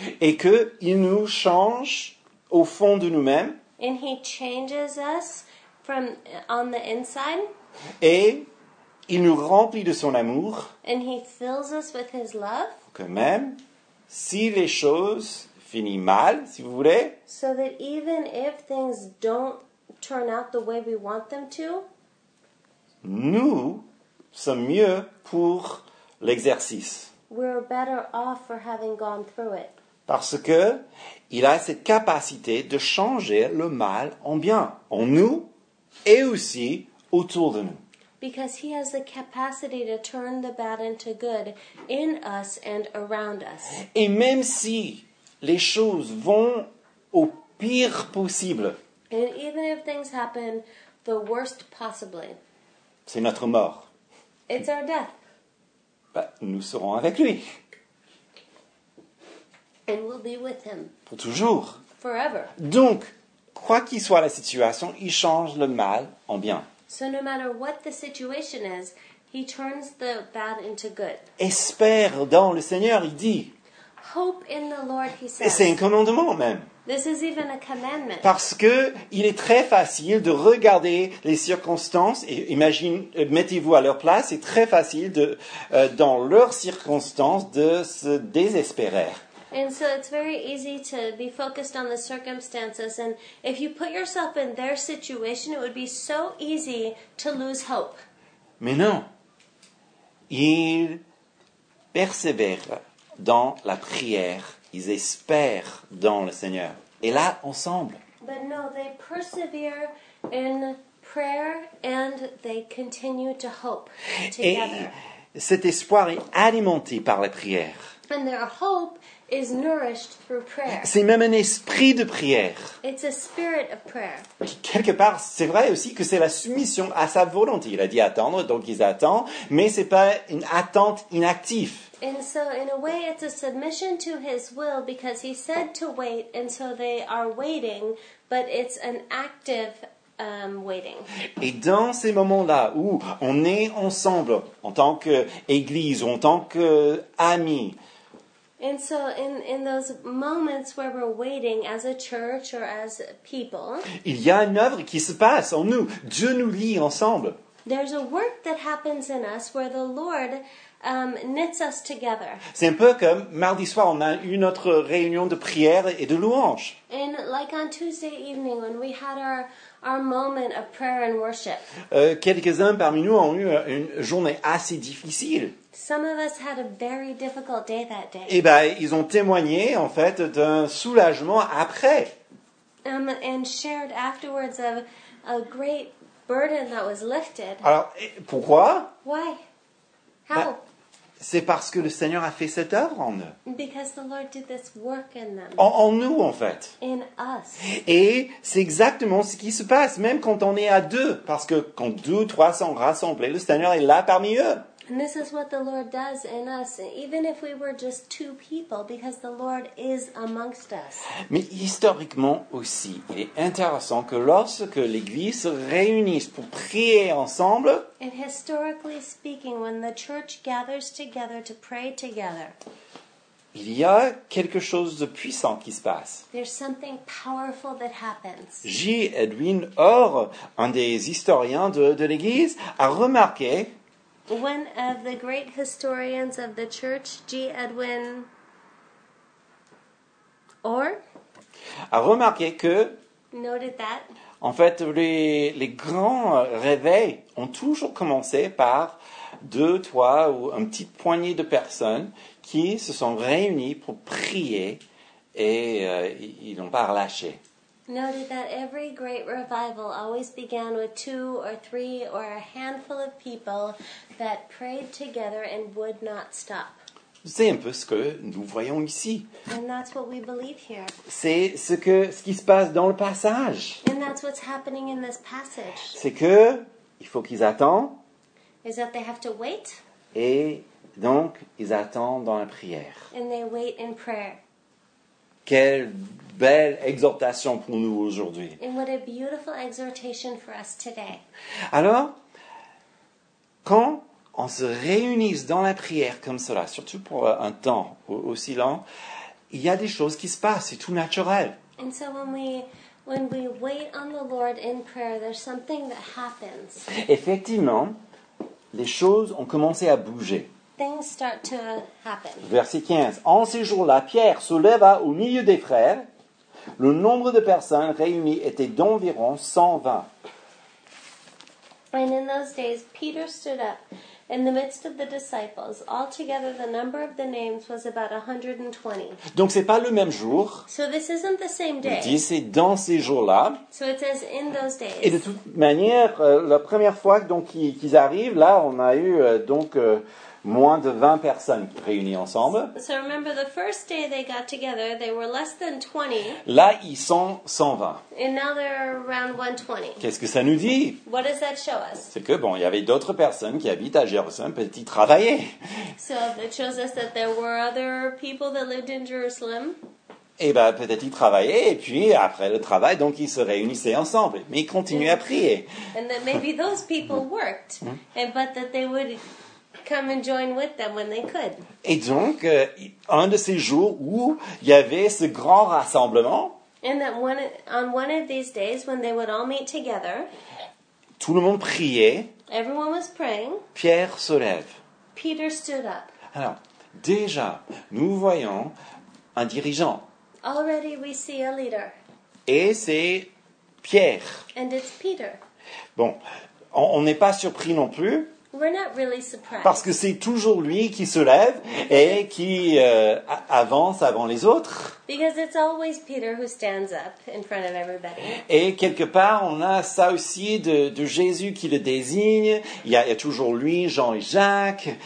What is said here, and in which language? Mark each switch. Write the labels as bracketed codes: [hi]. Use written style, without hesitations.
[fr] Et que il nous change au fond de nous-mêmes. [en] And he changes us from on the inside. [fr] Et il nous remplit de son amour. [en] And he fills us with his love. [fr] Que même si les choses finissent mal, si vous voulez, [en] so that even if things don't turn out the way we want them to, [fr] nous sommes mieux pour l'exercice. [en] We're better off for having gone through it. [fr] Parce que il a cette capacité de changer le mal en bien, en nous et aussi autour de nous. [en] Because he has the capacity to turn the bad into good in us and around us. [fr] Et même si les choses vont au pire possible. [en] And even if things happen the worst possibly. [fr] C'est notre mort. [en] It's our death. [fr] Bah, nous serons avec lui. [en] And we'll be with him. [fr] Pour toujours. [en] Forever. [fr] Donc, quoi qu'il soit la situation, il change le mal en bien. [en] So no matter what the situation is, he turns the bad into good. [fr] Espère dans le Seigneur, il dit. [en] Hope in the Lord, he says. [fr] Et c'est un commandement même. [en] This is even a commandment. [fr] Parce que il est très facile de regarder les circonstances et imagine, mettez-vous à leur place, c'est très facile de, dans leurs circonstances, de se désespérer. [en] And so it's very easy to be focused on the circumstances. And if you put yourself in their situation, it would be so easy to lose hope. [fr] Mais non. Ils persévèrent dans la prière. Ils espèrent dans le Seigneur. Et là, ensemble. [en] But no, they persevere in prayer and they continue to hope together. [fr] Et cet espoir est alimenté par la prière. [en] And their hope is nourished through prayer. [fr] C'est même un esprit de prière. [en] It's a spirit of prayer. [fr] Quelque part, c'est vrai aussi que c'est la soumission à sa volonté. Il a dit attendre, donc ils attendent, mais c'est pas une attente inactive. [en] And so in a way it's a submission to his will because he said to wait and so they are waiting, but it's an active waiting. [fr] Et dans ces moments-là où on est ensemble en tant que église ou en tant que amis. [en] And so in those moments where we're waiting as a church or as people, [fr] il y a une œuvre qui se passe en nous. Dieu nous lie ensemble. [en] There's a work that happens in us where the Lord knits us together. [fr] C'est un peu comme mardi soir, on a eu notre réunion de prière et de louange. [en] And like on Tuesday evening when we had our moment of prayer and worship. [fr] Quelques-uns parmi nous ont eu une journée assez difficile. [en] Some of us had a very difficult day that day. [fr] Et ben, ils ont témoigné en fait d'un soulagement après. [en] And shared afterwards of a great burden that was lifted. [fr] Alors, pourquoi? [en] Why? How? Ben, [fr] c'est parce que le Seigneur a fait cette œuvre en eux. [en] Because the Lord did this work in them. [fr] En nous, en fait. [en] In us. [fr] Et c'est exactement ce qui se passe, même quand on est à deux. Parce que quand deux, trois sont rassemblés, le Seigneur est là parmi eux. [en] And this is what the Lord does in us, even if we were just two people, because the Lord is amongst us. [fr] Mais historiquement aussi, il est intéressant que lorsque l'Église se réunisse pour prier ensemble, [en] and historically speaking, when the church gathers together to pray together, [fr] il y a quelque chose de puissant qui se passe. [en] There's something powerful that happens. [fr] J. Edwin Orr, un des historiens de l'Église, a remarqué. [en] One of the great historians of the church, G. Edwin Orr, [fr] a remarqué que, [en] noted that, [fr] en fait, les grands réveils ont toujours commencé par deux, trois ou une petite poignée de personnes qui se sont réunies pour prier et ils n'ont pas relâché. [en] noted that every great revival always began with two or three or a handful of people that prayed together and would not stop. [fr] C'est un peu ce que nous voyons ici. [en] And that's what we believe here. [fr] C'est ce qui se passe dans le passage. [en] And that's what's happening in this passage. [fr] C'est que il faut qu'ils attendent. [en] Is that they have to wait? [fr] Et donc ils attendent dans la prière. [en] And they wait in prayer. [fr] Quelle belle exhortation pour nous aujourd'hui. [en] And what a beautiful exhortation for us today. [fr] Alors, quand on se réunit dans la prière comme cela, surtout pour un temps aussi lent, il y a des choses qui se passent, c'est tout naturel. [en] And so when we wait on the Lord in prayer, there's something that happens. [fr] Effectivement, les choses ont commencé à bouger. [en] Things start to happen. [fr] Verset 15. En ces jours-là, Pierre se leva au milieu des frères. Le nombre de personnes réunies était d'environ 120. [en] And in those days, Peter stood up in the midst of the disciples. Altogether, the number of the names was about 120. [fr] Donc, ce n'est pas le même jour. [en] So, this isn't the same day. [fr] Il dit, c'est dans ces jours-là. [en] So, it says in those days. [fr] Et de toute manière, la première fois donc, qu'ils arrivent, là, on a eu donc moins de 20 personnes réunies ensemble. [en] So, remember, the first day they got together, they were less than 20. [fr] Là, ils sont 120. [en] And now they're around 120. [fr] Qu'est-ce que ça nous dit? [en] What does that show us? [fr] C'est que, bon, il y avait d'autres personnes qui habitent à Jérusalem, qui travaillaient. [en] So, it shows us that there were other people that lived in Jerusalem. [fr] Et bien, peut-être ils travaillaient, et puis après le travail, donc ils se réunissaient ensemble. Mais ils continuaient à prier. [en] And that maybe those people worked, but that they would come and join with them when they could. [fr] Et donc, un de ces jours où il y avait ce grand rassemblement, [en] and that on one of these days when they would all meet together, [fr] tout le monde priait, [en] everyone was praying, [fr] Pierre se lève. [en] Peter stood up. [fr] Alors, déjà, nous voyons un dirigeant. [en] Already we see a leader. [fr] Et c'est Pierre. [en] And it's Peter. [fr] Bon, on n'est pas surpris non plus. [en] We're not really surprised. [fr] Parce que c'est toujours lui qui se lève et qui avance avant les autres. [en] Because it's always Peter who stands up in front of everybody. [fr] Et quelque part, on a ça aussi de Jésus qui le désigne. Il y a toujours lui, Jean et Jacques.